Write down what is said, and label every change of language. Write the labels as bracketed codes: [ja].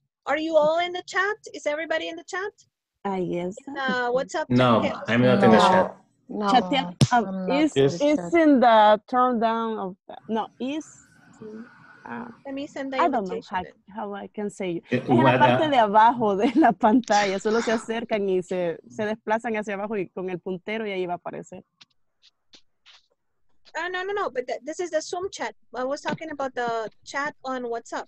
[en] Are you all in the chat? Is everybody in the chat? I guess. WhatsApp? No, I'm not in the chat. No. Chat, it's in the turn down of that. No, is. Let me send the invitation. I don't know how I can say it. [es] Es en la parte de abajo de la pantalla. Solo se acercan y se desplazan hacia abajo y con el puntero y ahí va a aparecer. [en] No, but this is the Zoom chat. I was talking about the chat on WhatsApp.